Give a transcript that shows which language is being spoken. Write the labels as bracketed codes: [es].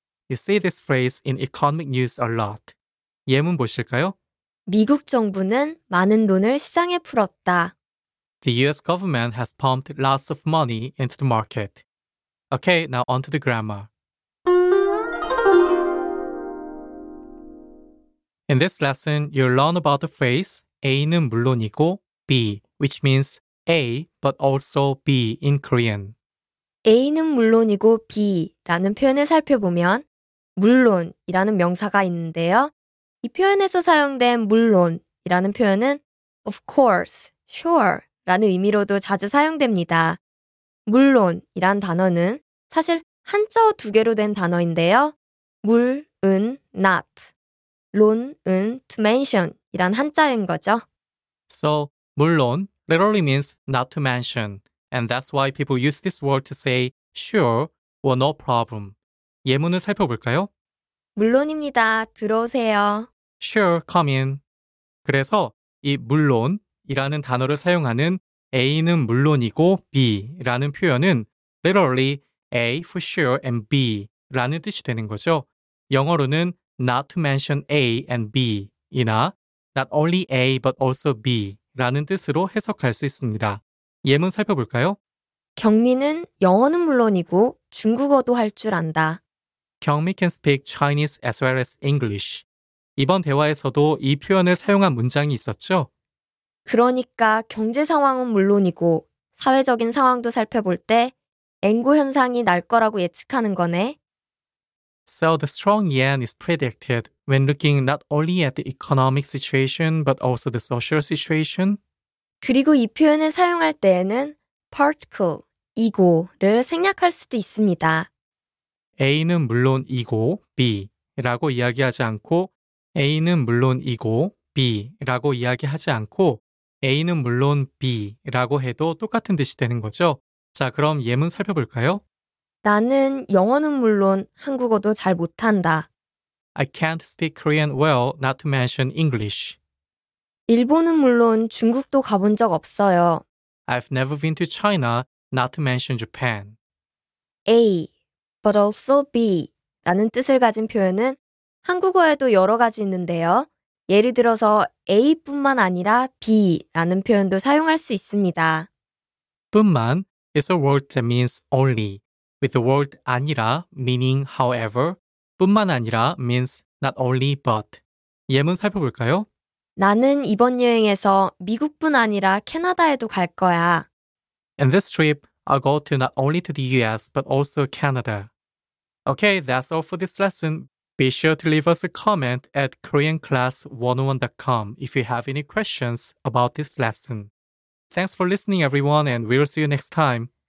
[en] You see this phrase in economic news a lot. [ko] 예문 보실까요? 미국 정부는 많은 돈을 시장에 풀었다. [en] The US government has pumped lots of money into the market. Okay, now on to the grammar. In this lesson, you'll learn about the phrase [ko] A는 물론이고 B, [en] which means A but also B in Korean. [ko] A는 물론이고 B라는 표현을 살펴보면 물론이라는 명사가 있는데요. 이 표현에서 사용된 물론이라는 표현은 [en] of course, sure [ko] 라는 의미로도 자주 사용됩니다. 물론이란 단어는 사실 한자어 두 개로 된 단어인데요. 물은 not, 론은 to mention이란 한자인 거죠. [en] So, 물론 literally means not to mention. And that's why people use this word to say sure or no problem. [ko] 예문을 살펴볼까요? 물론입니다. 들어오세요. [en] Sure, come in. [ko] 그래서 이 물론이라는 단어를 사용하는 A는 물론이고 B라는 표현은 [en] literally A for sure and B [ko] 라는 뜻이 되는 거죠. 영어로는 [en] not to mention A and B [ko] 이나 [en] not only A but also B [ko] 라는 뜻으로 해석할 수 있습니다. 예문 살펴볼까요? 경미는 영어는 물론이고 중국어도 할 줄 안다. [en] 경미 can speak Chinese as well as English. [ko] 이번 대화에서도 이 표현을 사용한 문장이 있었죠? 그러니까 경제 상황은 물론이고 사회적인 상황도 살펴볼 때 앵고 현상이 날 거라고 예측하는 거네. [en] So the strong yen is predicted when looking not only at the economic situation but also the social situation. [ko] 그리고 이 표현을 사용할 때에는 particle, 이고를 생략할 수도 있습니다. A는 물론 이고, B라고 이야기하지 않고 A는 물론 이고, B라고 이야기하지 않고 A는 물론 B라고 해도 똑같은 뜻이 되는 거죠. 자, 그럼 예문 살펴볼까요? 나는 영어는 물론 한국어도 잘 못한다. [en] I can't speak Korean well, not to mention English. [ko] 일본은 물론 중국도 가본 적 없어요. [en] I've never been to China, not to mention Japan. [ko] A, but also B 라는 뜻을 가진 표현은 한국어에도 여러 가지 있는데요. 예를 들어서 A뿐만 아니라 B라는 표현도 사용할 수 있습니다. [en] 뿐만 is a word that means only, with the word 아니라 meaning however, 뿐만 아니라 means not only but. [ko] 예문 살펴볼까요? 나는 이번 여행에서 미국뿐 아니라 캐나다에도 갈 거야. [en] And this trip, I'll go to not only to the US, but also Canada. Okay, that's all for this lesson. Be sure to leave us a comment at koreanclass101.com if you have any questions about this lesson. Thanks for listening, everyone, and we'll see you next time.